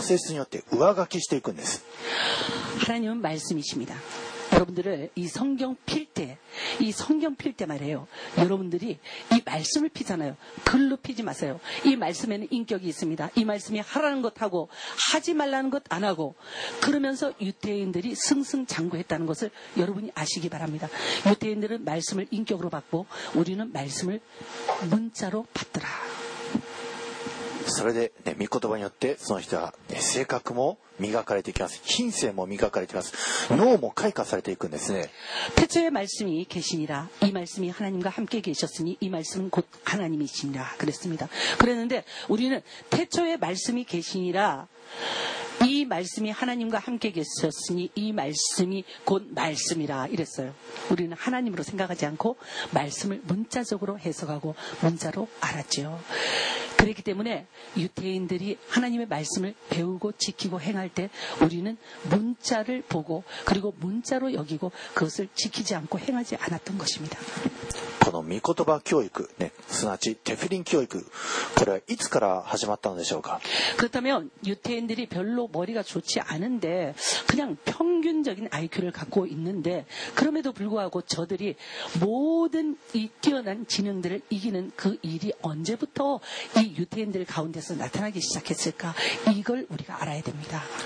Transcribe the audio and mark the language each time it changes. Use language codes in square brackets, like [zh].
[ja] 言葉は神であった。ですから皆さん、御言葉は神様ご自身です。ですから御言葉がその人の中に入れば入るほど、唇で宣言すればするほど、神様ご自身がその人の形作り、人間性を神様のご性質によって上書きしていくんです。 [ko] 하나님은 말씀이십니다. 여러분들을 이 성경 필 때, 이 성경 필 때 말해요. 여러분들이 이 말씀을 피잖아요. 글로 피지 마세요. 이 말씀에는 인격이 있습니다. 이 말씀이 하라는 것하고 하지 말라는 것 안 하고 그러면서 유태인들이 승승장구했다는 것을 여러분이 아시기 바랍니다. 유태인들은 말씀을 인격으로 받고 우리는 말씀을 문자로 받더라. [ja] それで、御言葉によってその人は性格も磨かれていきます。品性も磨かれています。脳も開花されていくんですね。 [ko] 태초에 말씀이 계시니라. 이 말씀이 하나님과 함께 계셨으니 이 말씀은 곧 하나님이시니라. 그랬습니다. 그랬는데 우리는 태초에 말씀이 계시니라. 이 말씀이 하나님과 함께 계셨으니 이 말씀이 곧 말씀이라 이랬어요. 우리는 하나님으로 생각하지 않고 말씀을 문자적으로 해석하고 문자로 알았죠. 그렇기 때문에 유태인들이 하나님의 말씀을 배우고 지키고 행할 때 우리는 문자를 보고 그리고 문자로 여기고 그것을 지키지 않고 행하지 않았던 것입니다. [ja] この御言葉教育、ね、すなわちテフィリン教育、これはいつから始まったのでしょうか。 [ko] 그렇다면유태인들이별로머리가좋지않은데그냥평균적인 IQ를 갖고있는데그럼에도불구하고저들이모든이뛰어난지능들을이기는그일이언제부터이유태인들가운데서나타나기시작했을까이걸우리가알아야됩니다